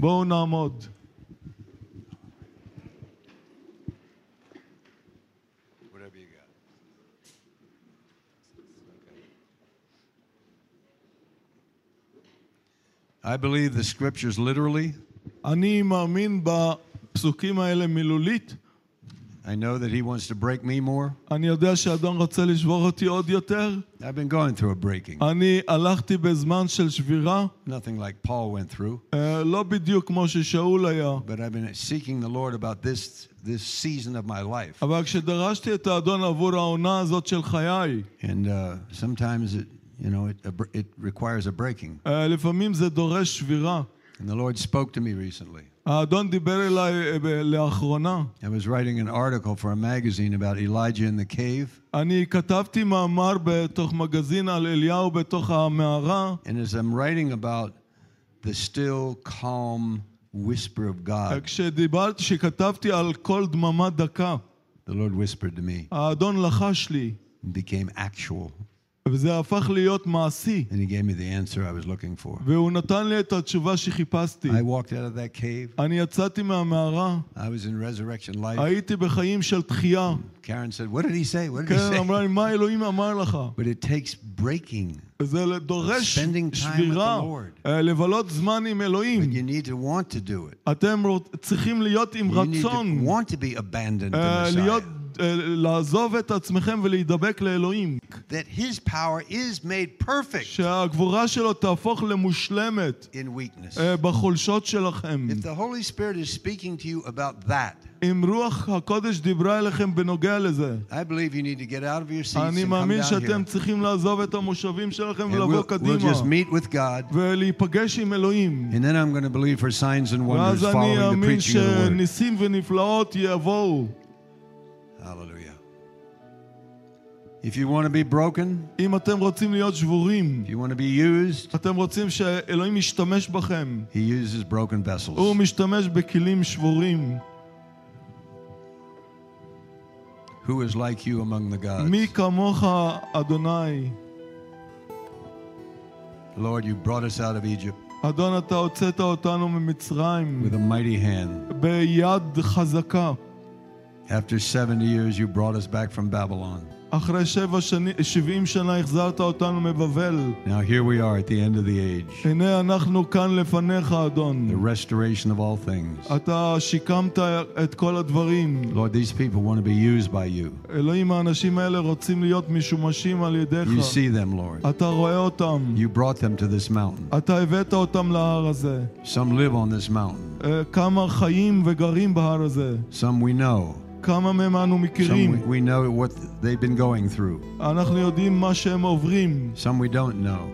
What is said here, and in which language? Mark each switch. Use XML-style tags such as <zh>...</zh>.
<he>בואו נעמוד.</he> <en>I believe the scriptures literally.</en> <he>אני מאמין בפסוקים האלה מילולית.</he> <en>I know that he wants to break me more.</en> <he>אני יודע שאדון רוצה לשבור אותי עוד יותר.</he> <en>I've been going through a breaking.</en> <he>אני הלכתי בזמן של שבירה.</he> <en>Nothing like Paul went through.</en> <he>לא בדיוק כמו ששאול היה.</he> <en>But I've been seeking the Lord about this season of my life.</en> <he>אבל כשדרשתי את האדון עבור העונה הזאת של חיי.</he> <en>And sometimes it requires a breaking.</en> <he>לפעמים זה דורש שבירה.</he> <en>And the Lord spoke to me recently.</en> <he>האדון דיבר אליי לאחרונה.</he> <en>I was writing an article for a magazine about Elijah in the cave.</en> <he>אני כתבתי מאמר בתוך מגזין על אליהו בתוך המערה.</he> <en>And as I'm writing about the still calm whisper of God.</en> <he>כשכתבתי על כל דממה דקה.</he> <en>The Lord whispered to me.</en> <he>האדון לחש לי.</he> <en>Became actual.</en> <he>וזה הפך להיות מעשי.</he> <en>And he gave me the answer I was looking for.</en> <he>והוא נתן לי את התשובה שחיפשתי.</he> <en>I walked out of that cave.</en> <he>אני יצאתי מהמערה.</he> <en>I was in resurrection life.</en> <he>הייתי בחיים של תחייה.</he> <en>Karen said, "What did he say? What did he say?"</en> <he>אמרה לי, מה אלוהים אמר לך?</he> <en>But it takes breaking.</en> <he>זה דורש שבירה. לבלות זמן עם אלוהים.</he> <en>But you need to want to do it.</en> <he>אתם צריכים להיות עם רצון.</he> <en>You need to want to be abandoned to Messiah.</en> <he>להיות לעזוב את עצמכם ולהידבק לאלוהים.</he> <en>That his power is made perfect.</en> <he>שהגבורה שלו תהפוך למושלמת.</he> <en>In weakness.</en> <he>בחולשות שלכם.</he> <en>If the Holy Spirit is speaking to you about that.</en> <he>אם רוח הקודש דיברה אליכם בנוגע לזה.</he> <en>I believe you need to get out of your seats and come down</en> <he>here. אני מאמין שאתם צריכים לעזוב את המושבים שלכם ולבוא קדימה.</he> <en>We'll just meet with God.</en> <he>ולהיפגש עם אלוהים.</he> <en>And then I'm going to believe for signs and wonders following the preaching of the word.</en> <he>ואז אני מאמין שניסים ונפלאות יבואו.</he> <en>Hallelujah. If you want to be broken,</en> <he>אם אתם רוצים להיות שבורים,</he> <en>if you want to be used,</en> <he>אתם רוצים שאלוהים ישתמש בכם,</he> <en>he uses broken vessels.</en> <he>הוא משתמש בכלים שבורים.</he> <en>Who is like you among the gods?</en> <he>מי כמוך, אדוני?</he> <en>Lord, you brought us out of Egypt.</en> <he>אדון, אתה הוצאת אותנו ממצרים.</he> <en>With a mighty hand.</en> <he>ביד חזקה.</he> <en>After 70 years, you brought us back from Babylon.</en> <he>אחרי 70 שנה החזרת אותנו מבבל.</he> <en>Now here we are at the end of the age.</en> <he>הנה אנחנו כאן לפניך, אדון.</he> <en>The restoration of all things.</en> <he>אתה שיקמת את כל הדברים.</he> <en>Lord, these people want to be used by you.</en> <he>אלוהים, האנשים האלה רוצים להיות משומשים על ידיך.</he> <en>You see them, Lord.</en> <he>אתה רואה אותם.</he> <en>You brought them to this mountain.</en> <he>אתה הבאת אותם להר הזה.</he> <en>Some live on this mountain.</en> <he>כמה חיים וגרים בהר הזה.</he> <en>Some we know. Some we know what they've been going through. Some we don't know.</en>